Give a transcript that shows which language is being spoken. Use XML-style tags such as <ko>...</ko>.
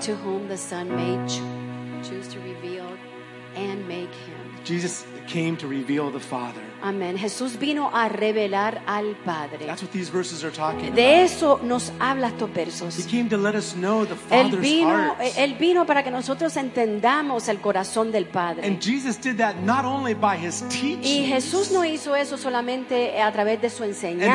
<en>to whom the Son may choose to reveal and make him. Jesus came to reveal the Father.</en> <es>Amén. Jesús vino a revelar al Padre.</es> <en>That's what these verses are talking</en> <es>de</es> <en>about.</en> <es>Eso nos habla estos versos.</es> <en>He came to let us know the Father's heart.</en> <es>Él vino para que nosotros entendamos el corazón del Padre.</es> <en>And Jesus did that not only by his teachings,</en> <es>y Jesús no hizo eso solamente a través de su enseñanza</es>